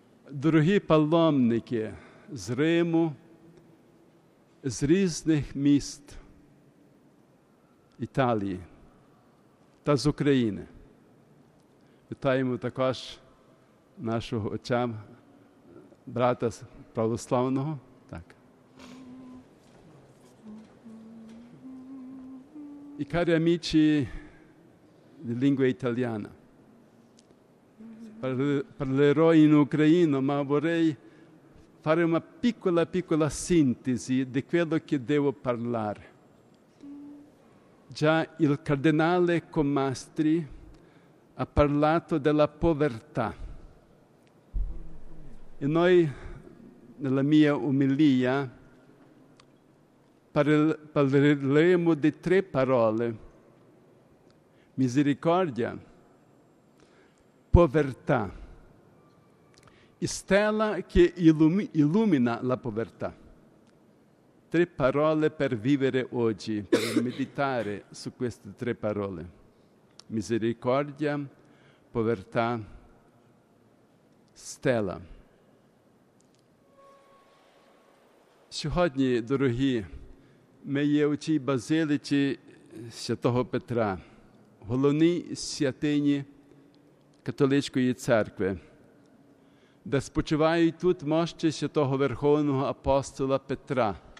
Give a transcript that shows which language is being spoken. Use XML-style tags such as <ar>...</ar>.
<uk>Дорогі паломники з Риму, з різних міст Італії та з України, вітаємо також нашого отця, брата православного.</uk> <it>І cari amici di lingua italiana, parlerò in ucraino, ma vorrei fare una piccola sintesi di quello che devo parlare. Già il cardinale Comastri ha parlato della povertà. E noi, nella mia omelia, parleremo di tre parole: misericordia, povertà e stella che illumina la povertà. Tre parole per vivere oggi, per meditare su queste tre parole: misericordia, povertà, stella.</it> <uk>Сьогодні, дорогі, ми є у цій базиліці Святого Петра, головній святині католицької церкви, де спочивають тут мощі Святого Верховного Апостола Петра.</uk>